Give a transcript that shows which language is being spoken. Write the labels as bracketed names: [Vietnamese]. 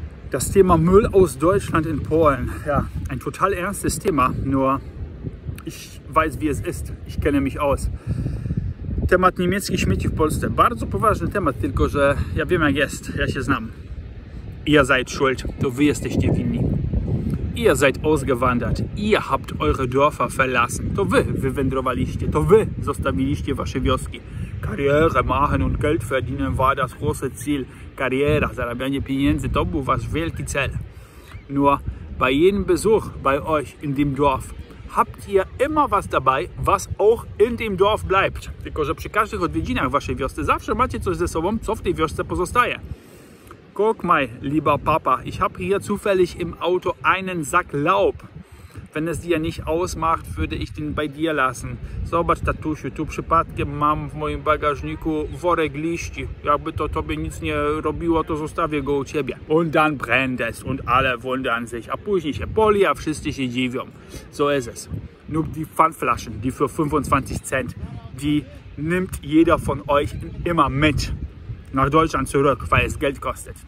[German] Das Thema Müll aus Deutschland in Polen, ja, ein total ernstes Thema, nur ich weiß, wie es ist, ich kenne mich aus. [Polish] Temat niemieckich śmieci w Polsce, bardzo poważny temat, tylko że ja wiem, jak jest, ja się znam. [German] Ihr seid schuld, [Polish] to wy jesteście winni. [German] Ihr seid ausgewandert, ihr habt eure Dörfer verlassen, [Polish] to wy wywędrowaliście, to wy zostawiliście wasze wioski. [German] Karriere machen und Geld verdienen war das große Ziel. [Polish] Karriere, zarabianie pieniędzy, to był wasz wielki cel. [German] Nur bei jedem Besuch bei euch in dem Dorf habt ihr immer was dabei, was auch in dem Dorf bleibt. [Polish] Tylko, że przy każdych odwiedzinach waszej wiosce zawsze macie coś ze sobą, co w tej wiosce pozostaje. [German] Guck mal, lieber Papa, ich habe hier zufällig im Auto einen Sack Laub. Wenn es dir nicht ausmacht, würde ich den bei dir lassen. [Polish] Zobacz, tatusiu, tu przypadkiem mam w moim bagażniku worek liści. Jakby to tobie nic nie robiło, to zostawię go u ciebie. [German] Und dann brennt es und alle wundern sich. [Polish] A później się poli, a wszyscy się dziwią. [German] So ist es. Nur die Pfandflaschen, die für 25 Cent, die nimmt jeder von euch immer mit. Nach Deutschland zurück, weil es Geld kostet.